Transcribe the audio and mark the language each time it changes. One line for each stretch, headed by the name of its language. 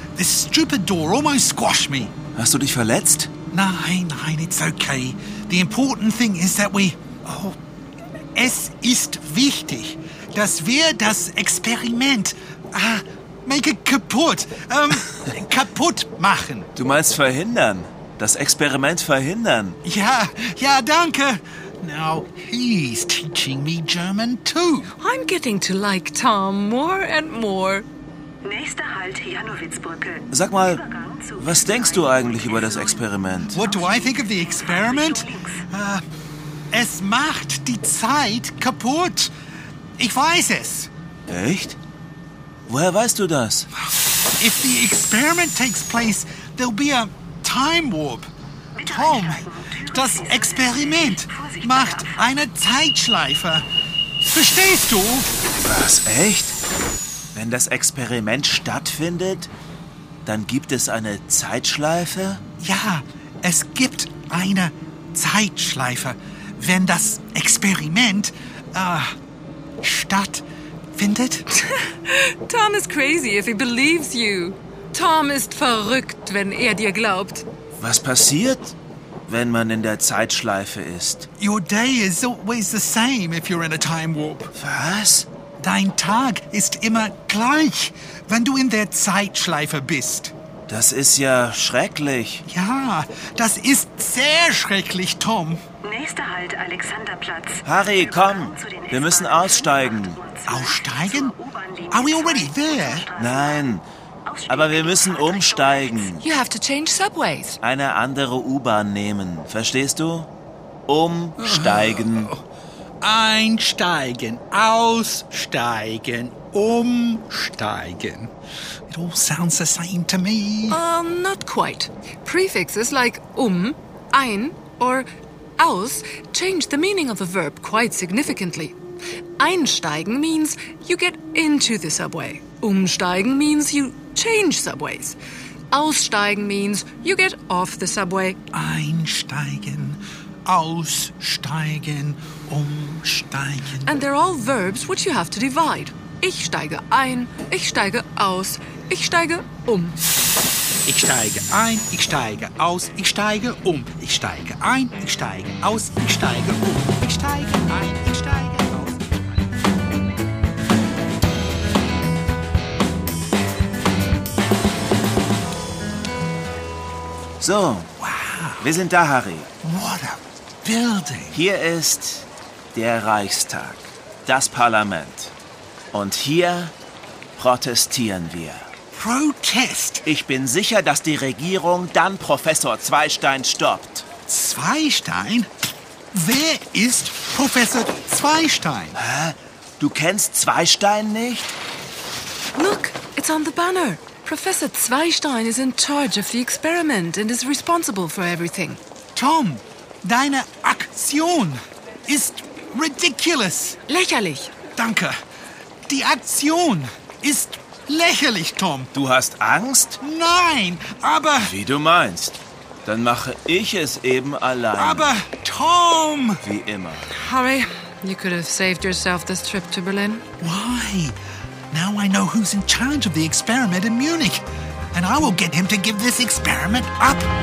English: This stupid door almost squashed me.
German: Hast du dich verletzt? Nein, nein,
English: it's okay. The important thing is that we...
German: Oh, es ist wichtig, dass wir das Experiment...
English: make it
German: kaputt. kaputt machen. Du meinst verhindern? Das Experiment verhindern? Ja, ja, danke.
English: Now he's teaching me German too. I'm getting to like Tom more and more.
German: Nächster Halt, Janowitzbrücke. Sag mal, was denkst du eigentlich über das Experiment?
English: What do I think of the experiment?
German: Es macht die Zeit kaputt. Ich weiß es. Echt? Woher weißt du das?
English: If the experiment takes place, there'll be a time warp.
German: Tom, das Experiment macht eine Zeitschleife. Verstehst du? Was, echt? Wenn das Experiment stattfindet, dann gibt es eine Zeitschleife? Ja, es gibt eine Zeitschleife, wenn das Experiment stattfindet.
English: Tom is crazy if he believes you.
German: Tom ist verrückt, wenn er dir glaubt. Was passiert, wenn man in der Zeitschleife ist?
English: Your day is always the same if you're in a time warp.
German: Was? Dein Tag ist immer gleich, wenn du in der Zeitschleife bist. Das ist ja schrecklich. Ja, das ist sehr schrecklich, Tom. Nächster Halt, Alexanderplatz. Harry, komm, wir müssen aussteigen.
English: Aussteigen? Are we already there?
German: Nein, aber wir müssen umsteigen.
English: You have to change subways.
German: Eine andere U-Bahn nehmen, verstehst du? Umsteigen. Einsteigen, aussteigen, umsteigen.
English: It all sounds the same to me. Not quite. Prefixes like um, ein or aus change the meaning of a verb quite significantly. Einsteigen means you get into the subway. Umsteigen means you change subways. Aussteigen means you get off the subway. Einsteigen, aussteigen, umsteigen. And they're all verbs which you have to divide.
German: Ich steige ein, ich steige aus, ich steige um. Ich steige ein, ich steige aus, ich steige um. Ich steige ein, ich steige aus, ich steige um. Ich steige ein, ich steige aus. So. Wow. Wir sind da, Harry.
English: What a building.
German: Hier ist der Reichstag, das Parlament. Und hier protestieren wir. Protest? Ich bin sicher, dass die Regierung dann Professor Zweistein stoppt. Zweistein? Wer ist Professor Zweistein? Hä? Du kennst Zweistein nicht?
English: Look, it's on the banner. Professor Zweistein is in charge of the experiment and is responsible for everything.
German: Tom, deine Aktion ist ridiculous. Lächerlich. Danke. Die Aktion ist lächerlich, Tom. Du hast Angst? Nein, aber... Wie du meinst. Dann mache ich es eben allein. Aber, Tom! Wie immer.
English: Harry, you could have saved yourself this trip to Berlin. Why? Now I know who's in charge of the experiment in Munich. And I will get him to give this experiment up.